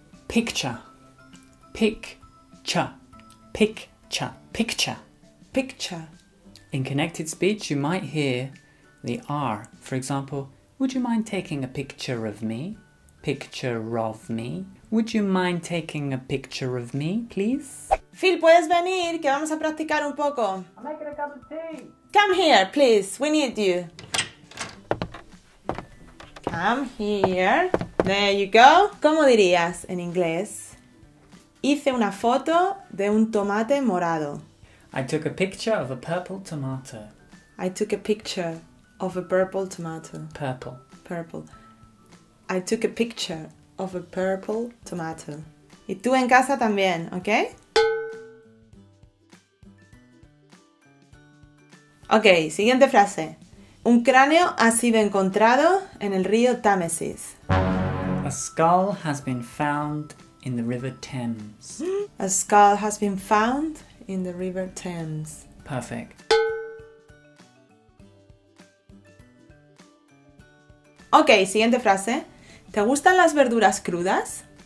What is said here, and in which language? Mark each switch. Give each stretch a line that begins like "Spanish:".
English: Picture. Pick-cha. Pick-cha. Picture. Picture. In connected speech, you might hear the R. For example, would you mind taking a picture of me? Picture of me. Would you mind taking a picture of me, please?
Spanish: Phil, puedes venir, que vamos a practicar un poco.
English: I'm making a cup of tea. Come here, please. We need you. Come here. There you go.
Spanish: ¿Cómo dirías en inglés? Hice una foto de un tomate morado.
English: I took a picture of a purple tomato. I took a picture of a purple tomato. Purple. Purple. I took a picture of a purple tomato.
Spanish: Y tú en casa también, ¿ok? Ok, siguiente frase. Un cráneo ha sido encontrado en el río Támesis.
English: A skull has been found in the river Thames. A skull has been found in the river Thames. Perfect.
Spanish: Ok, siguiente frase. ¿Te gustan las verduras crudas?